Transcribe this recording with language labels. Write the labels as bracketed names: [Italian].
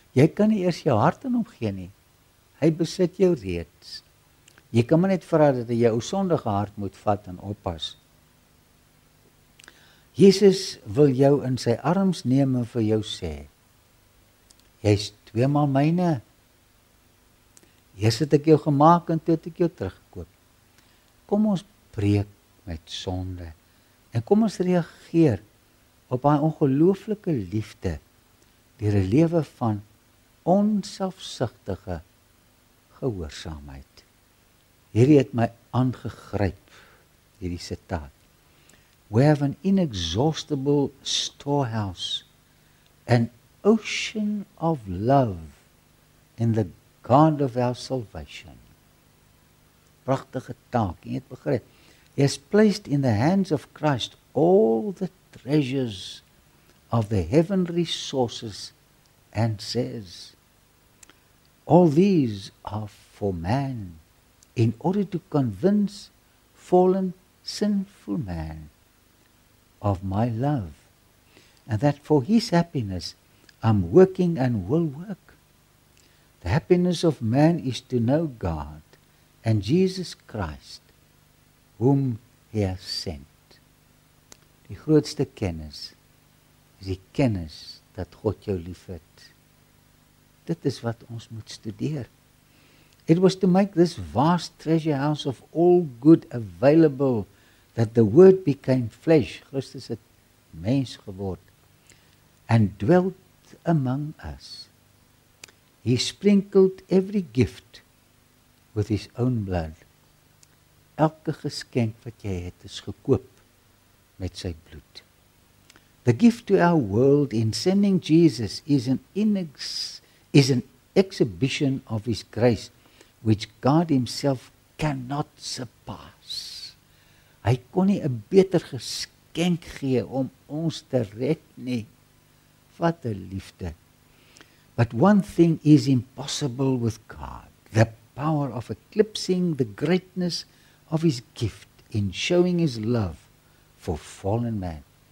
[Afrikaans] Jy kan nie eers jou hart in hom gee nie. Hy besit jou reeds. Jy kan maar net vra dat hy jou sondige hart moet vat en oppas. Jesus wil jou in sy arms neem en vir jou sê, jy is 2 maal myne. Eers het ek jou gemaak en toe het ek jou teruggekoop. Kom ons breek met sonde en kom ons reageer op haar ongelooflike liefde deur 'n lewe van onselfsugtige gehoorsaamheid. Hierdie het my aangegryp, hierdie sitaat. [English] We have an inexhaustible storehouse, an ocean of love in the God of our salvation. [Afrikaans] Pragtige taak, jy het begryp. [English] He has placed in the hands of Christ all the treasures of the heavenly sources and says, all these are for man in order to convince fallen sinful man of my love and that for his happiness I'm working and will work. The happiness of man is to know God and Jesus Christ whom he has sent. [Afrikaans] Die grootste kennis is die kennis dat God jou liefhet. Dit is wat ons moet studeer. [English] It was to make this vast treasure house of all good available that the word became flesh, [Afrikaans] Christus het mens geword, [English] and dwelt among us. He sprinkled every gift with his own blood. [Afrikaans] Elke geskenk wat jy het is gekoop met sy bloed. [English] The gift to our world in sending Jesus is an exhibition of his grace which God himself cannot surpass. [Afrikaans] Hy kon nie 'n beter geskenk gee om ons te red nie. Wat 'n liefde. [English] But one thing is impossible with God, the power of eclipsing the greatness of his gift in showing his love for fallen man.